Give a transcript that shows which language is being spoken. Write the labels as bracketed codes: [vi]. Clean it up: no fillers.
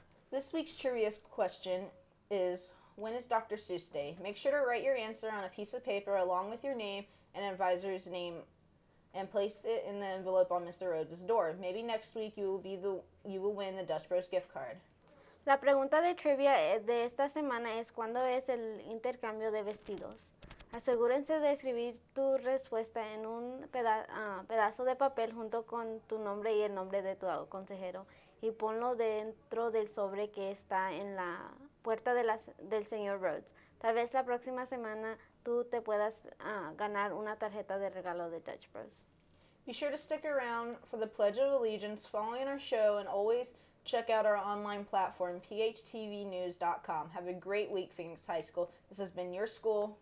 [en] This week's trivia question is, when is Dr. Seuss Day? Make sure to write your answer on a piece of paper along with your name and advisor's name and place it in the envelope on Mr. Rhodes' door. Maybe next week you will win the Dutch Bros gift card. [es] La pregunta de trivia de esta semana es ¿cuándo es el intercambio de vestidos? Asegúrense de escribir tu respuesta en un pedazo de papel junto con tu nombre y el nombre de tu consejero y ponlo dentro del sobre que está en la puerta del señor Rhodes. Tal vez la próxima semana tú te puedas ganar una tarjeta de regalo de Dutch Bros. [en] Be sure to stick around for the Pledge of Allegiance following our show and always check out our online platform, phtvnews.com. Have a great week, Phoenix High School. This has been your school,